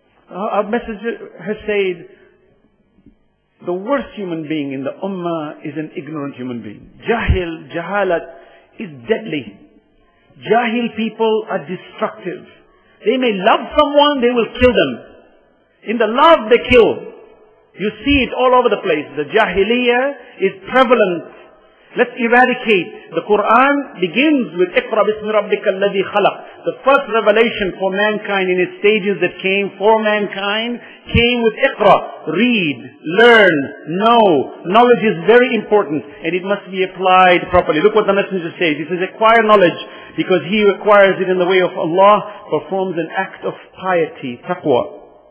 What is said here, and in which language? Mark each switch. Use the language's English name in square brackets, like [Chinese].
[English] Our messenger has said, the worst human being in the ummah is an ignorant human being. Jahil, jahalat, is deadly. Jahil people are destructive. They may love someone, they will kill them. In the love, they kill. You see it all over the place. The jahiliyyah is prevalent. Let's eradicate. The Quran begins with [Arabic] اقرأ بسم ربك الذي خلق. [English] The first revelation for mankind in its stages that came for mankind came with اقرأ. Read, learn, know. Knowledge is very important and it must be applied properly. Look what the Messenger says. He says, acquire knowledge because he who acquires it in the way of Allah performs an act of piety, taqwa.